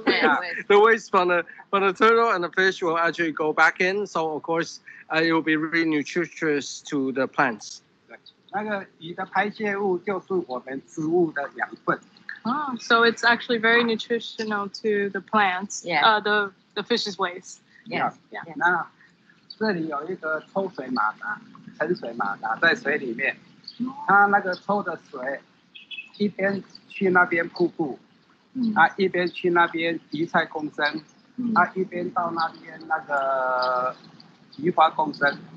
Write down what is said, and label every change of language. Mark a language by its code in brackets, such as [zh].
[en] waste，the waste from the turtle and the fish will actually go back in, so of course, it will be really nutritious to the plants. [zh] 那个鱼的排泄物就是我们植物的养分。 [en] So it's actually very nutritional to the plants, yeah. The fish's waste. Yes. Yeah. Yeah. [zh] 那这里有一个抽水马达，沉水马达在水里面。它那个抽的水，一边去那边瀑布，它一边去那边鱼菜共生，它一边到那边那个鱼花共生。